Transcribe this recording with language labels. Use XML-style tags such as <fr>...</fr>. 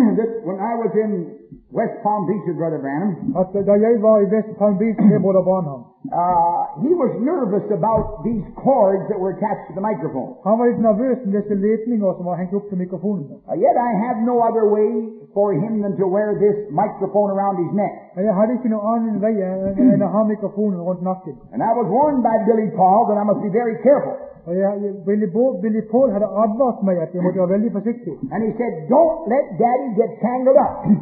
<en>That when I was in West Palm Beach with Brother Branham.</en> <sv>Att då jag var i West Palm Beach med Brother Branham.</sv> <en>He was nervous about these cords that were attached to the microphone.</en> <sv>Han var lite nervös med dessa ledningar som var hängt upp till mikrofonen.</sv> <en>Yet I had no other way for him than to wear this microphone around his neck.</en> <sv>Jag hade inte någon annan väg än att ha mikrofonen runt nacken.</sv> <en>And I was warned by Billy Paul that I must be very careful.</en> <sv>Billy Paul hade advart mig att jag måste vara väldigt försiktig.</sv> <en>And he said, don't let daddy get tangled up.</en>